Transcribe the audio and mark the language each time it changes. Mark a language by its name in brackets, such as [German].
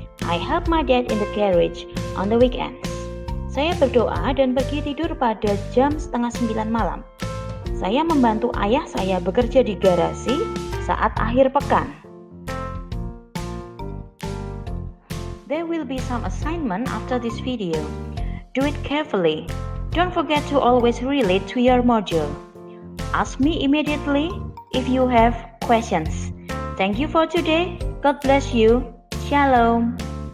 [English] I help my dad in the garage on the weekends. [Indonesian] Saya berdoa dan pergi tidur pada jam 8:30 malam. Saya membantu ayah saya bekerja di garasi saat akhir pekan. [English] There will be some assignment after this video. Do it carefully. Don't forget to always relate to your module. Ask me immediately if you have questions. Thank you for today. God bless you. Shalom.